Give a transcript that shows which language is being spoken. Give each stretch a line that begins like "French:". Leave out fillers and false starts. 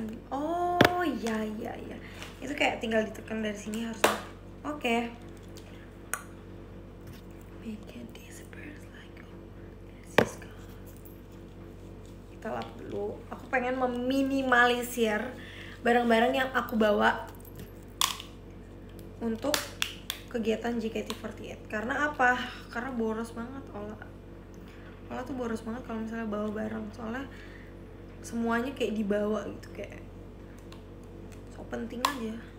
Indonesian: Oh iya iya iya, itu kayak tinggal ditekan dari sini harusnya. Oke.
English: Make it disappear like this is gone.
Indonesian: Kita lap dulu. Aku pengen meminimalisir barang-barang yang aku bawa untuk kegiatan JKT48. Karena apa? Karena boros banget Ola tuh boros banget kalau misalnya bawa barang. Soalnya semuanya kayak dibawa gitu, kayak so penting aja.